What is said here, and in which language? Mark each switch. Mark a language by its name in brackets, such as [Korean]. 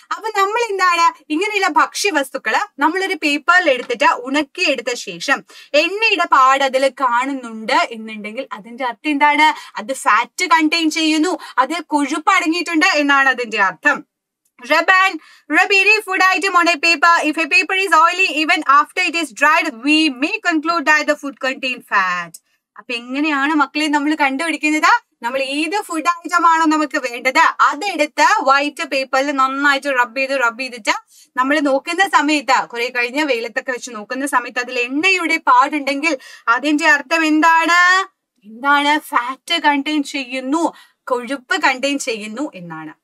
[Malayalam] അപ്പൊ നമ്മൾ എന്താണ്, ഇങ്ങനെയുള്ള ഭക്ഷ്യവസ്തുക്കള് നമ്മളൊരു പേപ്പറിൽ എടുത്തിട്ട് ഉണക്കി എടുത്ത ശേഷം എണ്ണയുടെ പാട് അതിൽ കാണുന്നുണ്ട് എന്നുണ്ടെങ്കിൽ അതിന്റെ അർത്ഥം എന്താണ്, അത് ഫാറ്റ് കണ്ടെയ്ൻ ചെയ്യുന്നു, അത് കൊഴുപ്പ് അടങ്ങിയിട്ടുണ്ട് എന്നാണ് അതിന്റെ അർത്ഥം. [English] Rub and rub any food item on a paper. If a paper is oily, even after it is dried, we may conclude that the food contains fat. [Malayalam] അപ്പൊ എങ്ങനെയാണ് മക്കളെ നമ്മൾ കണ്ടുപിടിക്കുന്നത്, നമ്മൾ ഏത് ഫുഡ് ഐറ്റം ആണോ നമുക്ക് വേണ്ടത് അതെടുത്ത് വൈറ്റ് പേപ്പറിൽ നന്നായിട്ട് റബ്ബ് ചെയ്തിട്ട് നമ്മൾ നോക്കുന്ന സമയത്ത്, കുറെ കഴിഞ്ഞ വെയിലത്തൊക്കെ വെച്ച് നോക്കുന്ന സമയത്ത് അതിൽ എണ്ണയുടെ പാടുണ്ടെങ്കിൽ അതിന്റെ അർത്ഥം എന്താണ്, എന്താണ് ഫാറ്റ് കണ്ടെയ്ൻ ചെയ്യുന്നു, കൊഴുപ്പ് കണ്ടെയ്ൻ ചെയ്യുന്നു എന്നാണ്.